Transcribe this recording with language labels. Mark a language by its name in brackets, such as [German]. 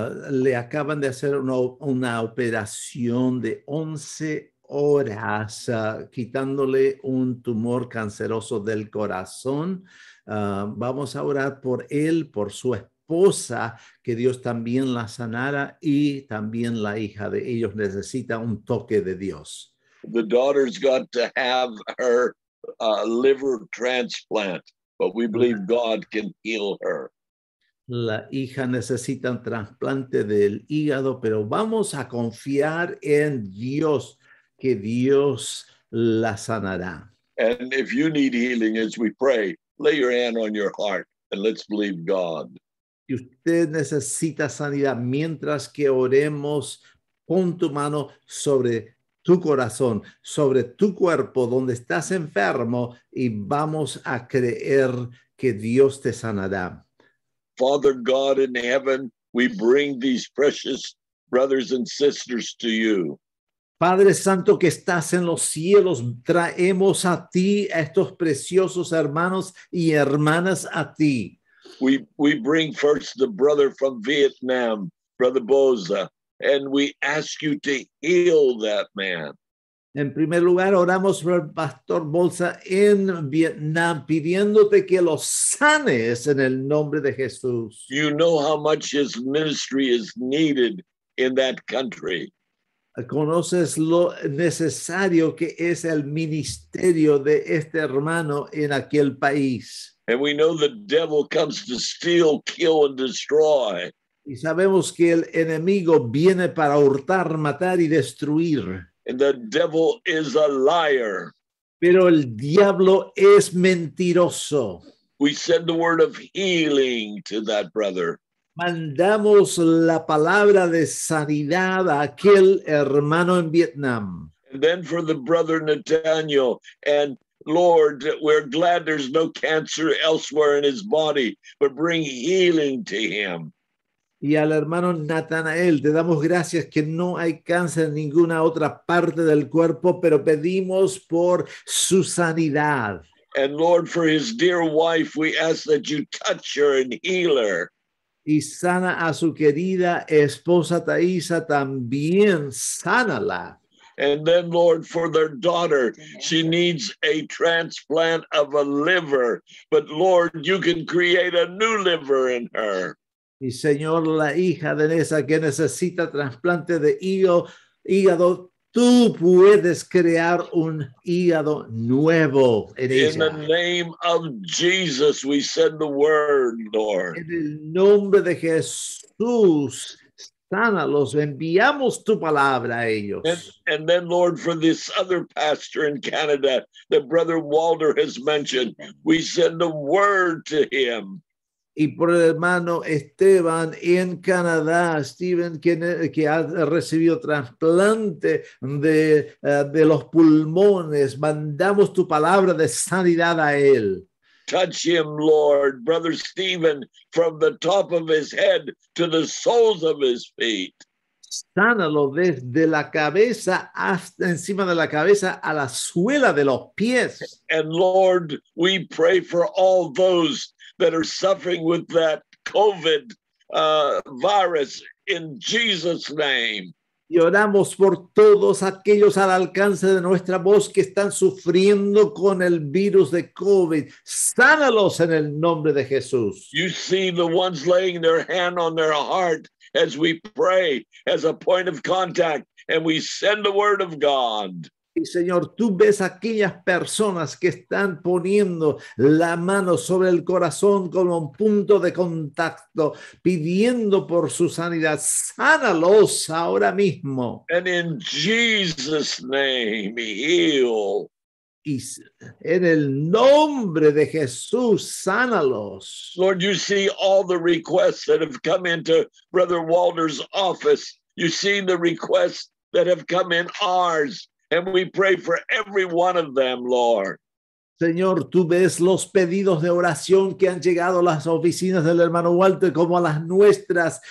[Spanish] Le acaban de hacer una operación de 11 horas, quitándole un tumor canceroso del corazón. Vamos a orar por él, por su esposa, que Dios también la sanara, y también la hija de ellos necesita un toque de Dios. [English] The daughter's got to have her liver transplant, but we believe God can heal her. [Spanish] La hija necesita un trasplante del hígado, pero vamos a confiar en Dios, que Dios la sanará. [English] And if you need healing, as we pray, lay your hand on your heart and let's believe God. [Spanish] Si usted necesita sanidad, mientras que oremos, pon tu mano sobre tu corazón, sobre tu cuerpo, donde estás enfermo, y vamos a creer que Dios te sanará. [English] Father God in heaven, we bring these precious brothers and sisters to you. [Spanish] Padre Santo que estás en los cielos, traemos a ti a estos preciosos hermanos y hermanas a ti. [English] We bring first the brother from Vietnam, Brother Boza, and we ask you to heal that man. [Spanish] En primer lugar, oramos por el pastor Bolsa en Vietnam, pidiéndote que lo sanes en el nombre de Jesús. [English] You know how much his ministry is needed in that country. [Spanish] Conoces lo necesario que es el ministerio de este hermano en aquel país. [English] And we know the devil comes to steal, kill, and destroy. [Spanish] Y sabemos que el enemigo viene para hurtar, matar y destruir. [English] And the devil is a liar. [Spanish] Pero el diablo es mentiroso. [English] We send the word of healing to that brother. [Spanish] Mandamos la palabra de sanidad a aquel hermano en Vietnam. [English] And then for the brother Nathaniel. And Lord, we're glad there's no cancer elsewhere in his body, but bring healing to him. [Spanish] Y al hermano Natanael, te damos gracias que no hay cáncer en ninguna otra parte del cuerpo, pero pedimos por su sanidad. [English] And Lord, for his dear wife, we ask that you touch her and heal her. [Spanish] Y sana a su querida esposa Taísa, también sánala. [English] And then, Lord, for their daughter, she needs a transplant of a liver. But, Lord, you can create a new liver in her. [Spanish] Y Señor, la hija de Nessa que necesita trasplante de hígado, tú puedes crear un hígado nuevo en ella. [English] In the name of Jesus, we send the word, Lord. [Spanish] En el nombre de Jesús, sánalos, enviamos tu palabra a ellos. [English] And then, Lord, for this other pastor in Canada that Brother Walter has mentioned, we send the word to him. [Spanish] Y por el hermano Esteban en Canadá, Stephen, que ha recibido trasplante de los pulmones, mandamos tu palabra de sanidad a él. [English] Touch him, Lord, Brother Stephen, from the top of his head to the soles of his feet. [Spanish] Sánalo desde la cabeza hasta encima de la cabeza a la suela de los pies. [English] And Lord, we pray for all those that are suffering with that COVID virus in Jesus' name. [Spanish] Y oramos por todos aquellos al alcance de nuestra voz que están sufriendo con el virus de COVID. Sánalos en el nombre de Jesús. [English] You see the ones laying their hand on their heart as we pray, as a point of contact, and we send the word of God. [Spanish] Y Señor, tú ves aquellas personas que están poniendo la mano sobre el corazón como un punto de contacto, pidiendo por su sanidad. Sánalos ahora mismo. [English] And in Jesus' name, heal. [Spanish] Y en el nombre de Jesús, sánalos. [English] Lord, you see all the requests that have come into Brother Walter's office. You see the requests that have come in ours. And we pray for every one of them, Lord. [Spanish] Señor, tú ves los pedidos de oración que han llegado a las oficinas del hermano Walter como a las nuestras.